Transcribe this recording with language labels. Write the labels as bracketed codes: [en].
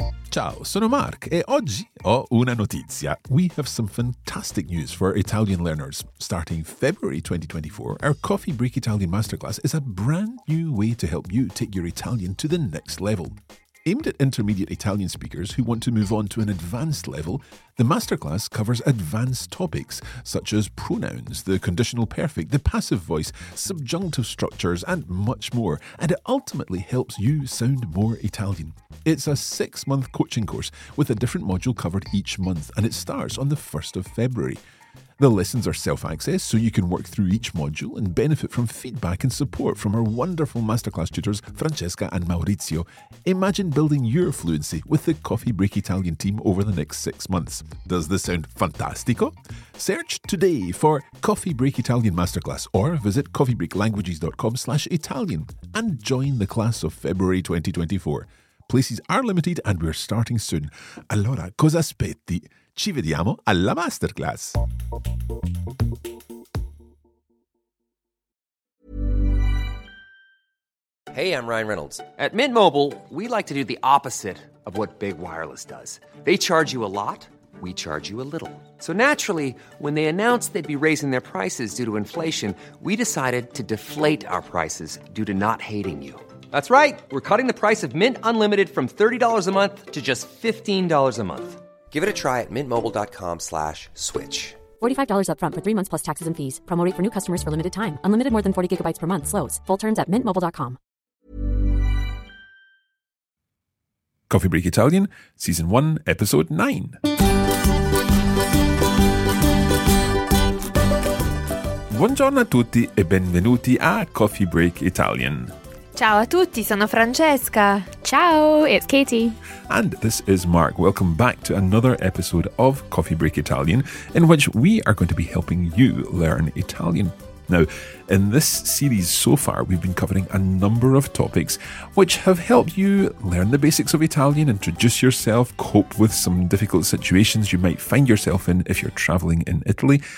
[it] Ciao, sono Mark e oggi ho una notizia. [en] We have some fantastic news for Italian learners. Starting February 2024, our Coffee Break Italian Masterclass is a brand new way to help you take your Italian to the next level. Aimed at intermediate Italian speakers who want to move on to an advanced level, the masterclass covers advanced topics such as pronouns, the conditional perfect, the passive voice, subjunctive structures, and much more, and it ultimately helps you sound more Italian. It's a six-month coaching course with a different module covered each month, and it starts on the 1st of February. The lessons are self-access, so you can work through each module and benefit from feedback and support from our wonderful masterclass tutors, Francesca and Maurizio. Imagine building your fluency with the Coffee Break Italian team over the next 6 months. Does this sound fantastico? Search today for Coffee Break Italian Masterclass or visit coffeebreaklanguages.com/Italian and join the class of February 2024. Places are limited and we're starting soon. [it] Allora, cosa aspetti? Ci vediamo alla masterclass. [en] Hey, I'm Ryan Reynolds. At Mint Mobile, we like to do the opposite of what Big Wireless does. They charge you a lot, we charge you a little. So naturally, when they announced they'd be raising their prices due to inflation, we decided to deflate our prices due to not hating you. That's right. We're cutting the price of Mint Unlimited from $30 a month to just $15 a month. Give it a try at mintmobile.com/switch. $45 up front for 3 months plus taxes and fees. Promo rate for new customers for limited time. Unlimited more than 40 gigabytes per month. Slows. Full terms at mintmobile.com. Coffee Break Italian, Season 1, Episode 9. [it] Buongiorno a tutti e benvenuti a Coffee Break Italian. Ciao a tutti, sono Francesca. [en] Ciao, it's Katie. And this is Mark. Welcome back to another episode of Coffee Break Italian, in which we are going to be helping you learn Italian. Now, in this series so far, we've been covering a number of topics which have helped you learn the basics of Italian, introduce yourself, cope with some difficult situations you might find yourself in if you're traveling in Italy.